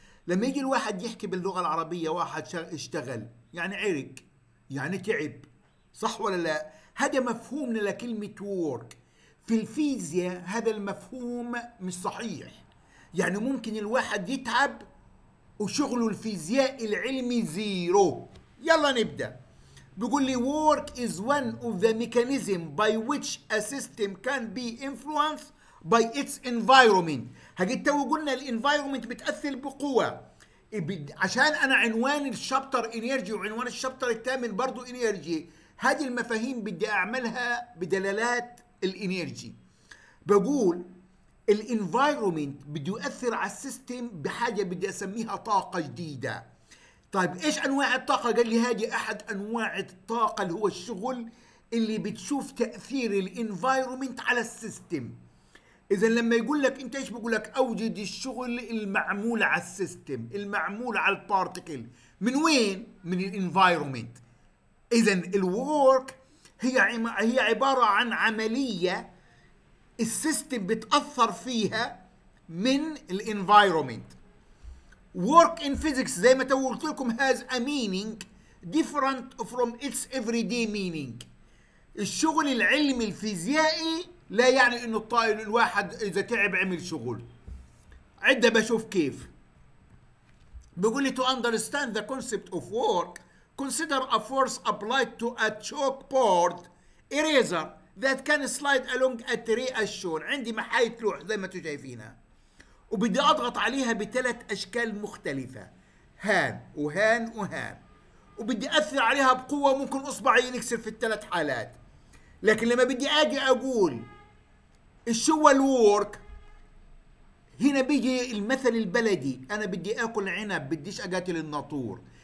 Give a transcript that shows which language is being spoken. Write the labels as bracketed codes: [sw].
[ar] لما يجي الواحد يحكي باللغه العربيه واحد اشتغل يعني عرق، يعني تعب، صح ولا لا؟ هذا مفهومنا لكلمه ورك. في الفيزياء هذا المفهوم مش صحيح، يعني ممكن الواحد يتعب وشغل الفيزياء العلمي زيرو. يلا نبدأ. [en] بيقول لي work is one of the mechanism by which a system can be influenced by its environment. [ar] هجيت وقلنا الانفايرومنت بتأثر بقوة، عشان انا عنوان الشابتر انيرجي وعنوان الشابتر الثامن برضو انيرجي، هذه المفاهيم بدي اعملها بدلالات الانيرجي. بقول الانفايرومنت بده يؤثر على السيستم بحاجه بدي اسميها طاقه جديده. طيب ايش انواع الطاقه؟ قال لي هذه احد انواع الطاقه اللي هو الشغل اللي بتشوف تاثير الانفايرومنت على السيستم. اذا لما يقول لك انت ايش بقول لك؟ اوجد الشغل المعمول على السيستم، المعمول على البارتيكل، من وين؟ من الانفايرومنت. اذا الورك هي عباره عن عمليه السيستم بتأثر فيها من الانفايرومنت. [en] work in physics زي ما تو قلت لكم has a meaning different from its everyday meaning. [ar] الشغل العلمي الفيزيائي لا يعني انه الطائر الواحد اذا تعب عمل شغل عده. [en] بشوف كيف بيقول لي to understand the concept of work consider a force applied to a chalkboard eraser that can slide along a tree as shown. [ar] عندي محايه لوح زي ما انتم شايفينها وبدي اضغط عليها بثلاث اشكال مختلفه هان وهان وهان وبدي اثر عليها بقوه ممكن اصبعي ينكسر في الثلاث حالات. لكن لما بدي اجي اقول الشو الورك هنا بيجي المثل البلدي انا بدي اكل عنب بديش اقاتل الناطور.